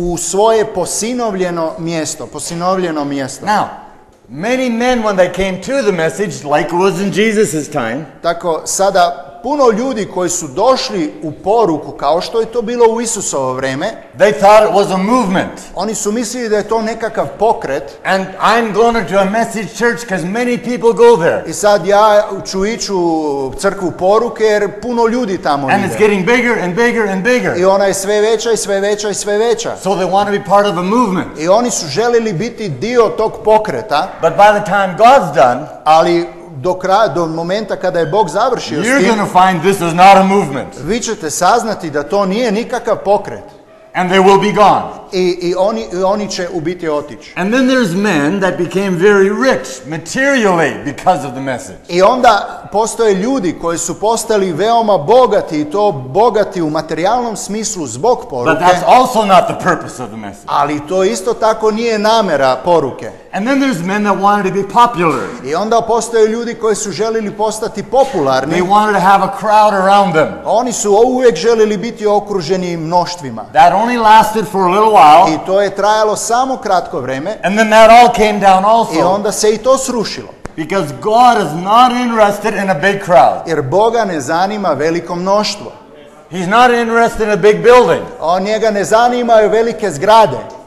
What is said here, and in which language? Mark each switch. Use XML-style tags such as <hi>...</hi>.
<hr>u svoje posinovljeno mjesto.</hr> <en>Now, Many men when they came to the message, like it was in Jesus's time.</en> <hr>Tako sada puno ljudi koji su došli u poruku kao što je to bilo u Isusovo vrijeme.</hr> <en>They thought it was a movement.</en> <hr>Oni su mislili da je to nekakav pokret.</hr> <en>And I'm going to a message church because many people go there.</en> <hr>I sad ja ću ići u crkvu poruke jer puno ljudi tamo ide.</hr> <en>And it's getting bigger and bigger and bigger.</en> <hr>I ona je sve veća i sve veća i sve veća.</hr> <en>So they want to be part of a movement.</en> <hr>I oni su željeli biti dio tog pokreta.</hr> <en>But by the time God's done,</en> <hr>ali do kraja, do momenta kada je Bog završio s tim,</hr> <en>gonna find this is not a movement.</en> <hr>Vi ćete saznati da to nije nikakav pokret.</hr> <en>And they will be gone.</en> <hr>I oni će u biti otići.</hr> <en>And then there's men that became very rich materially because of the message.</en> <hr>I onda postoje ljudi koji su postali veoma bogati i to bogati u materijalnom smislu zbog poruke.</hr> <en>But that's also not the purpose of the message.</en> <hr>Ali to isto tako nije namjera poruke.</hr> <en>And then there's men that wanted to be popular.</en> <hr>I onda postoje ljudi koji su željeli postati popularni.</hr> <en>They wanted to have a crowd around them.</en> <hr>Oni su uvijek željeli biti okruženi mnoštvima.</hr> <en>That only lasted for a little while.</en> <hr>I to je trajalo samo kratko vrijeme.</hr> <en>And then that all came down also.</en> <hr>I onda se i to srušilo.</hr> <en>Because God is not interested in a big crowd.</en> <hr>Jer Boga ne zanima veliko mnoštvo.</hr> <en>He's not interested in a big building.</en> <hr>On njega ne zanimaju velike zgrade.</hr>